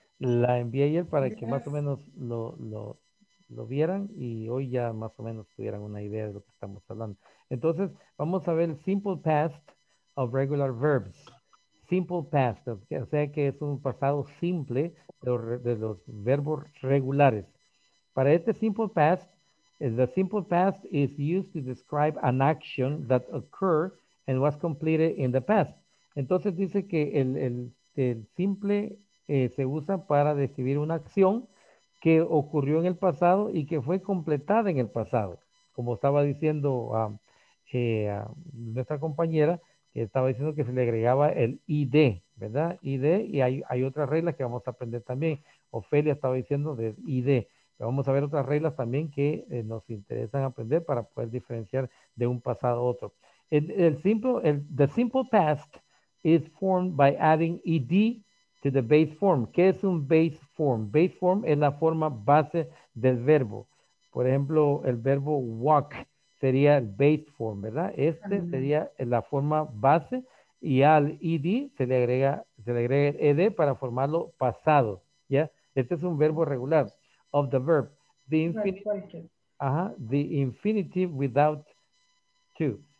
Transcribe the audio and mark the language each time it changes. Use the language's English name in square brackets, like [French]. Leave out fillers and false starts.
[Spanish] La envié ayer para que más o menos lo vieran y hoy ya más o menos tuvieran una idea de lo que estamos hablando. Entonces, vamos a ver el [English] simple past of regular verbs. [Spanish] Simple past, o sea que es un pasado simple de los verbos regulares. Para este [English] simple past, the simple past is used to describe an action that occurred and was completed in the past. [Spanish] Entonces dice que el simple se usa para describir una acción que ocurrió en el pasado y que fue completada en el pasado. Como estaba diciendo nuestra compañera, que estaba diciendo que se le agregaba el ID, ¿verdad? ID, y hay otras reglas que vamos a aprender también. Ofelia estaba diciendo de ID. Vamos a ver otras reglas también que nos interesan aprender para poder diferenciar de un pasado a otro. [English] The simple past is formed by adding ed to the base form. [Spanish] ¿Qué es un base form? Base form es la forma base del verbo. Por ejemplo, el verbo walk sería el base form, ¿verdad? Este sería la forma base y al ed se le agrega ed para formarlo pasado. ¿Ya? Este es un verbo regular. [English] Of the verb, the infinitive without to.